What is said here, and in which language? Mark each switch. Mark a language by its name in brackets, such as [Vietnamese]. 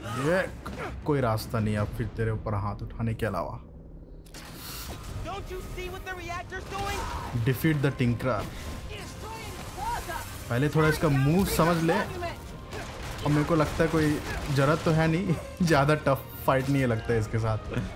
[Hindi] Yeah, कोई रास्ता नहीं अब फिर तेरे ऊपर हाथ उठाने के अलावा. [English] Don't you see what the reactor's doing? Defeat the Tinkerer. [Hindi] पहले थोड़ा इसका मूव समझ ले. अब मेरे को लगता है कोई जरूरत तो है नहीं. ज़्यादा टफ फाइट नहीं है लगता है इसके साथ.